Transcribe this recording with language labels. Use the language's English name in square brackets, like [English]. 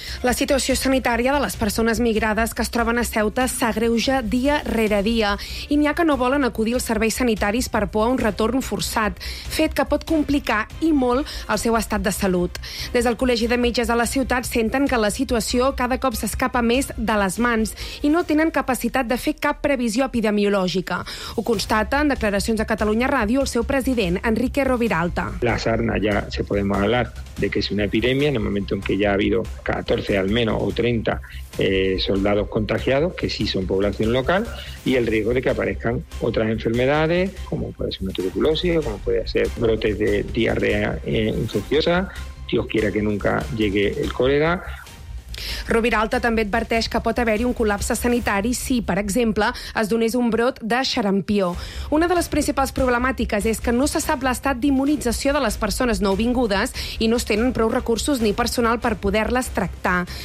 [Catalan] La situació sanitària de les persones migrades que es troben a Ceuta s'agreuja dia rere dia, i n'hi ha que no volen acudir als serveis sanitaris per por a un retorn forçat, fet que pot complicar i molt el seu estat de salut. Des del Col·legi de Metges de la ciutat senten que la situació cada cop s'escapa més de les mans i no tenen capacitat de fer cap previsió epidemiològica. Ho constata en declaracions a Catalunya Ràdio el seu president, Enrique Roviralta. [Spanish] La sarna ja se podemos hablar de que es una epidemia en el momento en que ya ha habido 14 al menos o 30 soldados contagiados, que sí son población local, y el riesgo de que aparezcan otras enfermedades, como puede ser una tuberculosis, como puede ser brotes de diarrea infecciosa, Dios quiera que nunca llegue el cólera. [Catalan] Roviralta també adverteix que pot haver-hi un col·lapse sanitari si, per exemple, es donés un brot de xarampió. Una de les principals problemàtiques és que no se sap l'estat d'immunització de les persones nouvingudes i no es tenen prou recursos ni personal per poder-les tractar.